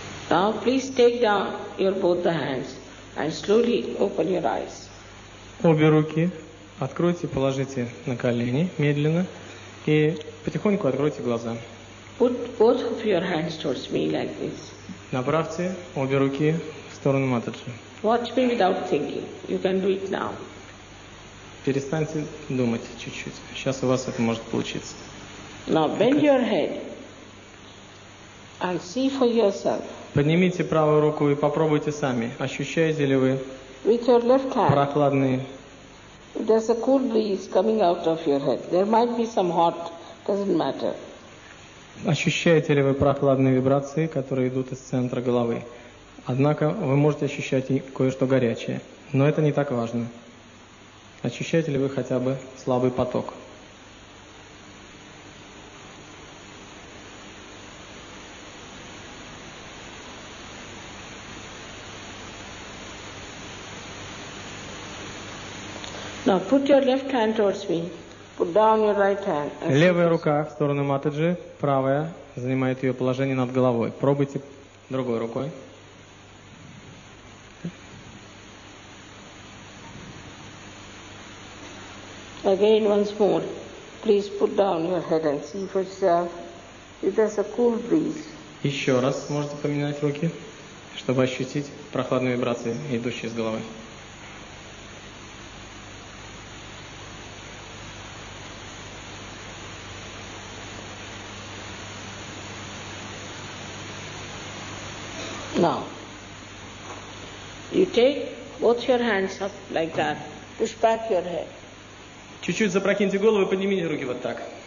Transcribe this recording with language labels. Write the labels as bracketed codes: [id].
[en] Now please take down your both the hands and slowly open your eyes. [ru] Обе руки откройте, положите на колени медленно и потихоньку откройте глаза. [en] Put both of your hands towards me like this. [ru] Направьте обе руки в сторону Матаджи. [en] Watch me without thinking. You can do it now. [ru] Перестаньте думать чуть-чуть. Сейчас у вас это может получиться. [en] Now bend your head and see for yourself. [ru] Поднимите правую руку и попробуйте сами, ощущаете ли вы прохладные. Ощущаете ли вы прохладные вибрации, которые идут из центра головы? Однако вы можете ощущать и кое-что горячее, но это не так важно. Ощущаете ли вы хотя бы слабый поток? [en] Now put your left hand towards me. Put down your right hand. [ru] Левая рука в сторону Матаджи, правая занимает ее положение над головой. Пробуйте другой рукой. [en] Again, once more. Please put down your head and see for yourself if there's a cool breeze. [ru] Еще раз можете поменять руки, чтобы ощутить прохладные вибрации, идущие с головы. [en] Now, you take both your hands up like that. Push back your head. [ru] Чуть-чуть запрокиньте голову и поднимите руки вот так.